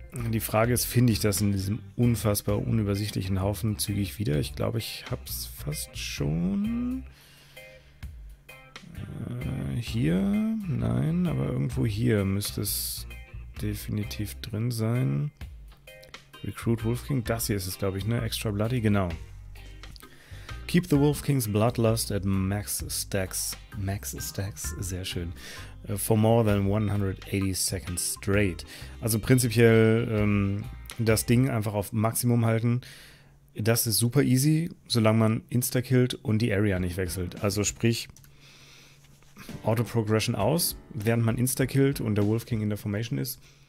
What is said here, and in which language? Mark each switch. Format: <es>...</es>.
<de>Die Frage ist, finde ich das in diesem unfassbar unübersichtlichen Haufen zügig wieder? Ich glaube, ich habe es fast schon. Hier? Nein, aber irgendwo hier müsste es definitiv drin sein. Recruit Wolfking, das hier ist es, glaube ich, ne? Extra Bloody, genau.</de> <en>Keep the Wolfking's Bloodlust at max stacks. Max stacks,</en> <de>sehr schön.</de> <en>For more than 180 seconds straight.</en> <de>Also prinzipiell das Ding einfach auf Maximum halten. Das ist super easy, solange man Insta-killt und die Area nicht wechselt. Also sprich, Auto-Progression aus, während man Insta-killt und der Wolfking in der Formation ist.</de>